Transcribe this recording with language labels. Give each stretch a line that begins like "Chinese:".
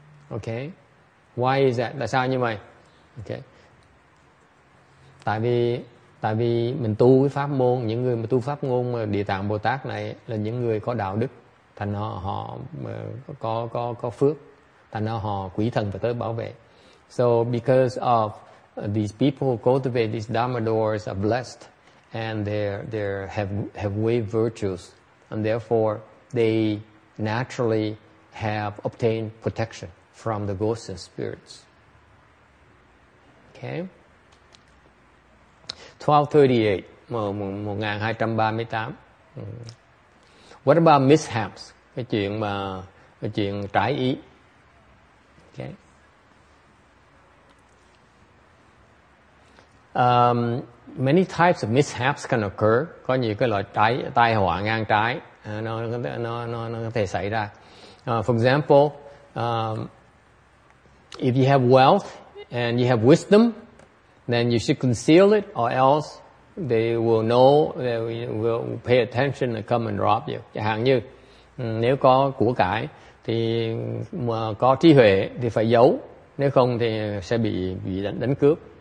English: Okay. Why is that?
Vietnamese: Tại sao như vậy?
English: Okay.
Vietnamese: Tại vì mình tu cái pháp môn, những người mà tu pháp môn Địa Tạng Bồ Tát này là những người có đạo đức, thành họ có phước, thành họ quỷ thần phải tới bảo vệ.
English: So because of these people who cultivate these Dharma doors are blessed, and they're have wave virtues, and therefore they naturally have obtained protection from the ghosts and spirits. Okay. 1238. What about mishaps?
Vietnamese: Cái chuyện mà cái chuyện trái ý.
English: Okay. Many types of mishaps can occur.
Vietnamese: Có nhiều cái loại trái tai họa ngang trái nó có thể xảy ra.
English: For example, if you have wealth and you have wisdom, then you should conceal it, or else they will know, they will pay attention and come and rob you.
Vietnamese: Chẳng hạn như nếu có của cải thì mà có trí huệ thì phải giấu, nếu không thì sẽ bị đánh cướp.